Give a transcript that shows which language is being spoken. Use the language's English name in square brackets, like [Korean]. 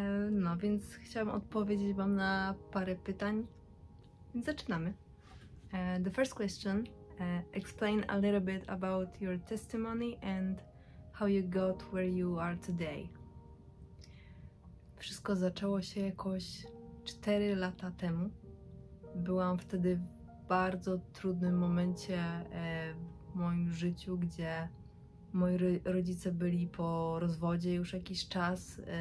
[Polish] No więc chciałam odpowiedzieć wam na parę pytań. Więc zaczynamy. [English] The first question. Explain a little bit about your testimony and how you got where you are today. [Polish] Wszystko zaczęło się jakoś 4 lata temu. Byłam wtedy w bardzo trudnym momencie w moim życiu, gdzie moi rodzice byli po rozwodzie już jakiś czas.